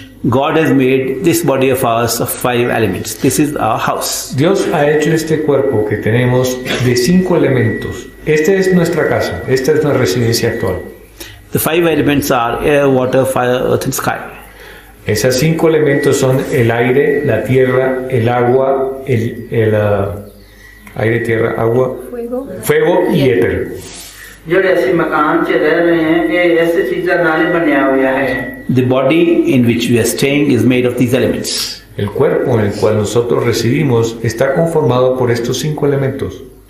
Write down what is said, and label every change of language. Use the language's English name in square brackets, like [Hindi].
[English] God has made this body of ours of five elements. This is our house. [Spanish] Dios ha hecho este cuerpo que tenemos de cinco elementos. Esta es nuestra casa. Esta es nuestra residencia actual. [English] The five elements are air, water, fire, earth and sky. [Spanish] Esos cinco elementos son el aire, la tierra, el agua, el aire, tierra, agua, fuego y éter. [English] The body in which we are staying is made of these elements. [Spanish] El cuerpo en el cual nosotros residimos está conformado por estos cinco elementos.